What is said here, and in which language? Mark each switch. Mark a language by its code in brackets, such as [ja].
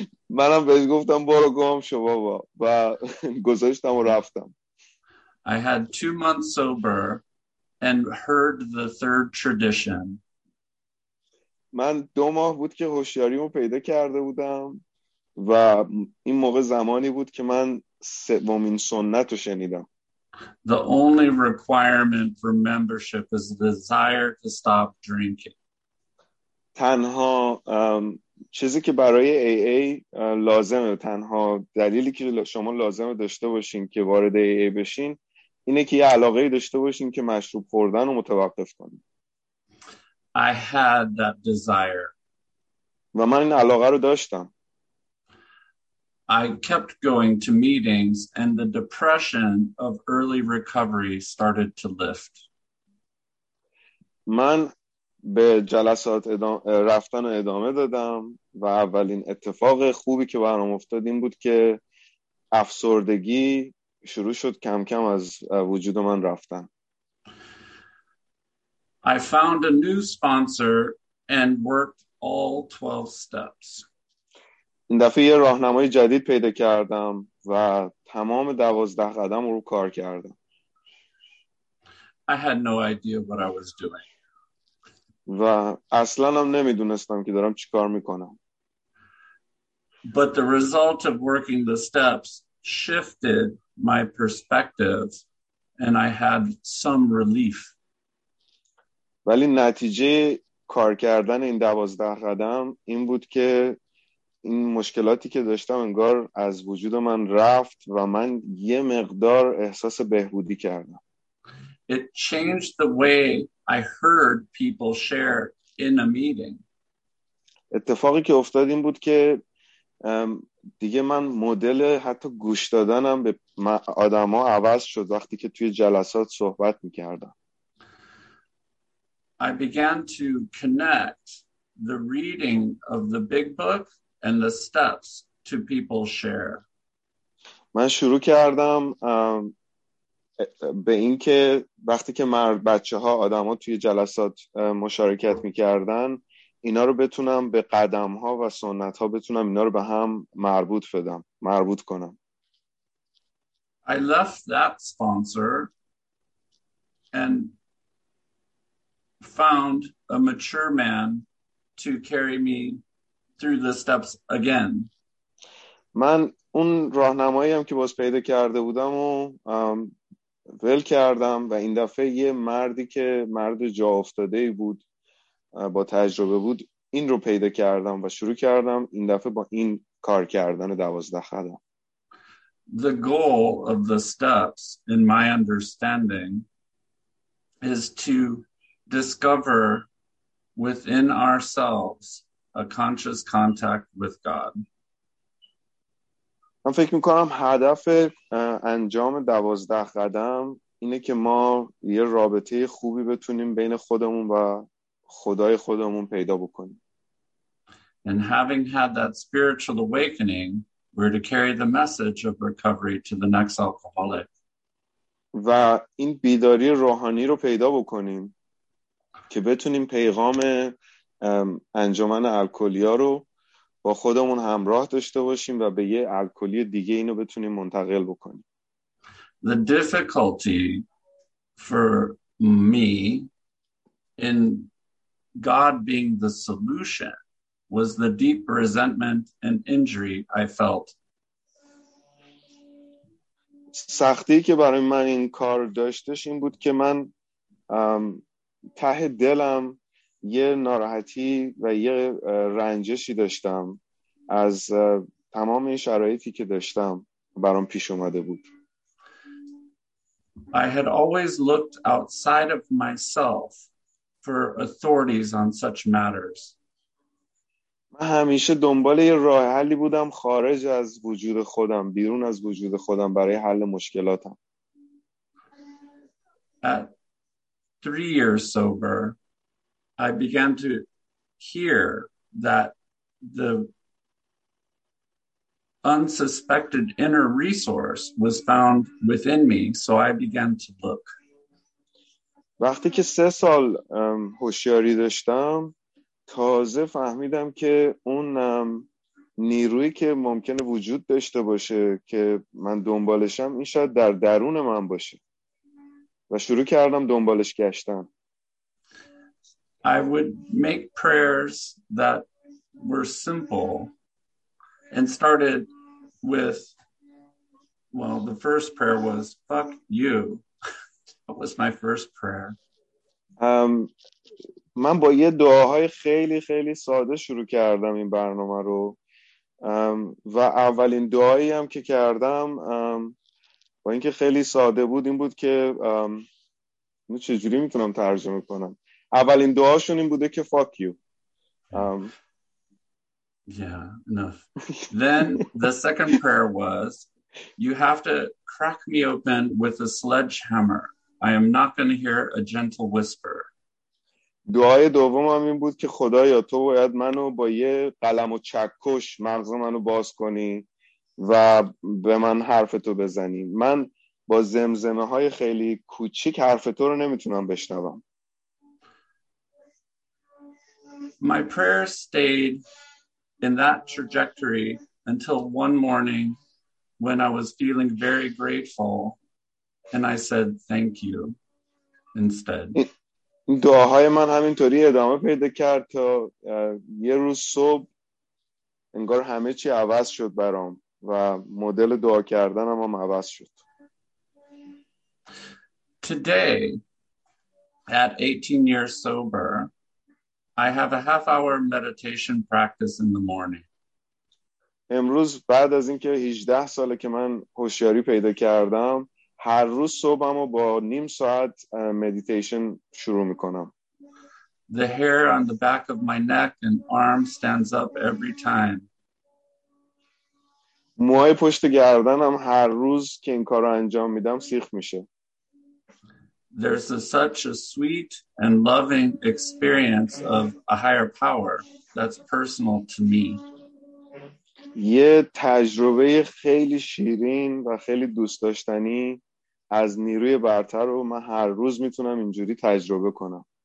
[fa] منم بهش گفتم برو گم شو بابا و گذاشتم و رفتم. [en] I had 2 months sober and heard the third tradition. [fa] من 2 ماه بود که هوشیاریمو پیدا کرده بودم و این موقع زمانی بود که من سومین سنت رو شنیدم. [en] The only requirement for membership is the desire to stop drinking. [fa] تنها چیزی که برای AA لازمه، تنها دلیلی که شما لازمه داشته باشین که وارد AA بشین اینه که یه علاقه داشته باشین که مشروب خوردن رو متوقف کنین. [en] I had that desire. [fa] و من این علاقه رو داشتم. [en] I kept going to meetings and the depression of early recovery started to lift. [fa] من به جلسات رفتن ادامه دادم و اولین اتفاق خوبی که برام افتاد این بود که افسردگی شروع شد کم کم از وجود من رفتن. [en] I found a new sponsor and worked all 12 steps. [fa] این دفعه یه راهنمای جدید پیدا کردم و تمام 12 قدم رو کار کردم. [en] I had no idea what I was doing. [fa] و اصلا هم نمیدونستم که دارم چی کار میکنم. [en] But the result of working the steps shifted my perspective and I had some relief. [fa] ولی نتیجه کار کردن این 12 قدم این بود که این مشکلاتی که داشتم انگار از وجود من رفت و من یه مقدار احساس بهبودی کردم. [en] It changed the way I heard people share in a meeting. [fa] اتفاقی که افتاد این بود که دیگه من مدل حتی گوش دادنم به آدم‌ها عوض شد وقتی که توی جلسات صحبت می‌کردم. [en] I began to connect the reading of the big book and the steps to people share. [fa] من شروع کردم به این که وقتی که مرد بچه ها آدم ها توی جلسات مشارکت می کردن اینا رو بتونم به قدم ها و سنت ها بتونم اینا رو به هم مربوط کنم. [en] I left that sponsor and found a mature man to carry me through the steps again. [fa] من اون راهنمایی هم که باز پیدا کرده بودم و ول کردم و این دفعه یه مردی که مرد جا افتاده بود با تجربه بود این رو پیدا کردم و شروع کردم این دفعه با این کار کردن 12 قدم. [en] The goal of the steps in my understanding is to discover within ourselves a conscious contact with God. [fa] من فکر میکنم هدف انجام 12 قدم اینه که ما یه رابطه خوبی بتونیم بین خودمون و خدای خودمون پیدا بکنیم. [en] And having had that spiritual awakening, we're to carry the message of recovery to the next alcoholic. [fa] و این بیداری روحانی رو پیدا بکنیم که بتونیم پیغام انجمن الکلیا رو با خودمون همراه داشته باشیم و به یه الکلی دیگه اینو بتونیم منتقل بکنیم. [en] The difficulty for me in God being the solution was the deep resentment and injury I felt. [fa] سختی که برای من این کار داشتش این بود که من ته دلم یه ناراحتی و یه رنجشی داشتم از تمام این شرایطی که داشتم برام پیش اومده بود. [en] I had always looked outside of myself for authorities on such matters. [fa] من همیشه دنبال یه راه حلی بودم خارج از وجود خودم، بیرون از وجود خودم برای حل مشکلاتم. [en] At 3 years sober, I began to hear that the unsuspected inner resource was found within me, so I began to look. [fa] وقتی که 3 سال هوشیاری داشتم تازه فهمیدم که اون نیرویی که ممکنه وجود داشته باشه که من دنبالشم این شاید در درون من باشه و شروع کردم دنبالش گشتم. [en] I would make prayers that were simple and started with, well, the first prayer was fuck you. That was my first prayer. [fa] من با یه دعاهای خیلی خیلی ساده شروع کردم این برنامه رو و اولین دعایی هم که کردم با اینکه خیلی ساده بود این بود که من چجوری میتونم ترجمه کنم، اولین دعاشون این بوده که [en] fuck you. Yeah, enough. Then the second prayer was, you have to crack me open with a sledgehammer. I am not going to hear a gentle whisper. [fa] دعای دوم هم این بود که خدایا تو باید منو با یه قلم و چکش مغز منو باز کنی و به من حرفتو بزنی. من با زمزمه های خیلی کوچیک حرفتو رو نمیتونم بشنوم. [en] My prayer stayed in that trajectory until one morning when I was feeling very grateful and I said thank you instead. [fa] دعاهای من همینطوری ادامه پیدا کرد تا یه روز صبح انگار همه چی عوض شد برام و مدل دعا کردنم هم عوض شد. [en] Today at 18 years sober, I have a half hour meditation practice in the morning. [fa] امروز بعد از اینکه 18 ساله که من هوشیاری پیدا کردم، هر روز صبحمو با نیم ساعت مدیتیشن شروع میکنم. [en] The hair on the back of my neck and arm stands up every time. [fa] موهای پشت گردنم هر روز که این کارو انجام میدم سیخ میشه. [en] there's a, such a sweet and loving experience of a higher power that's personal to me. [fa] یه تجربه خیلی شیرین و خیلی دوست داشتنی از نیروی برتر رو من هر روز میتونم اینجوری تجربه کنم.